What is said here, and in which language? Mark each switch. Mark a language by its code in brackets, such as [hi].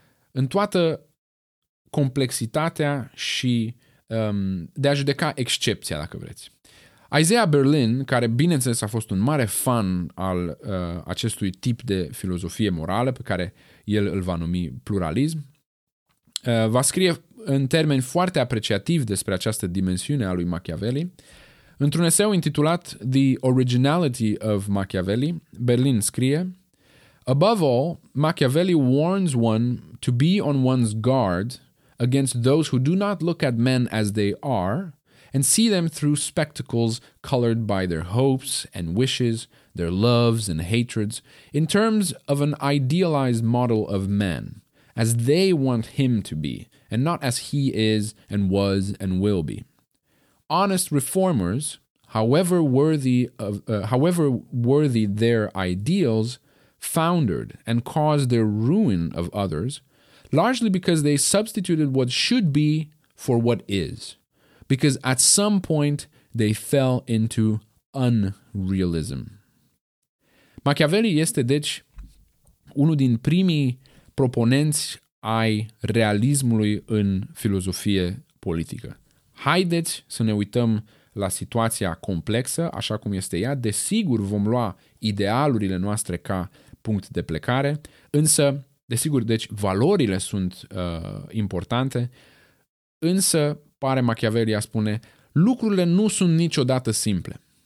[ro] În toată complexitatea și de a judeca excepția, dacă vreți. Isaiah Berlin, care bineînțeles a fost un mare fan al acestui tip de filozofie morală, pe care el îl va numi pluralism, va scrie în termeni foarte apreciativi despre această dimensiune a lui Machiavelli. Într-un eseu intitulat [en] The Originality of Machiavelli, [ro] Berlin scrie: [en] Above all, Machiavelli warns one to be on one's guard against those who do not look at men as they are and see them through spectacles colored by their hopes and wishes, their loves and hatreds, in terms of an idealized model of man, as they want him to be, and not as he is and was and will be. Honest reformers, however worthy their ideals, foundered and caused their ruin of others, largely because they substituted what should be for what is, because at some point they fell into unrealism. [ro] Machiavelli este deci unul din primii proponenți ai realismului în filozofie politică. Haideți să ne uităm la situația complexă, așa cum este ea. Desigur, vom lua idealurile noastre ca punct de plecare, însă, desigur, deci valorile sunt importante, însă, pare Machiavelli a spune, lucrurile nu sunt niciodată simple.